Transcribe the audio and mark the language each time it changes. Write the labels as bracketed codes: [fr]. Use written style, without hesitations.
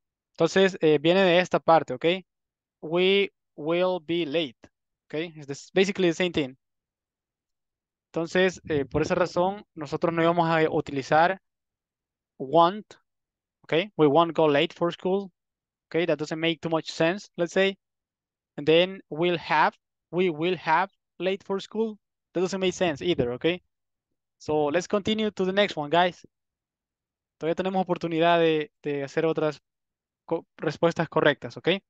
[es] Entonces, viene de esta parte, ¿ok? [en] We will be late, [es] ¿ok? [en] It's basically the same thing. [es] Entonces, por esa razón, nosotros no íbamos a utilizar won't, ¿ok? [en] We won't go late for school, ¿ok? That doesn't make too much sense, let's say. And then, we'll have, we will have late for school. That doesn't make sense either, ¿ok? So, let's continue to the next one, guys. [es] Todavía tenemos oportunidad de hacer otras respuestas correctas, ¿ok?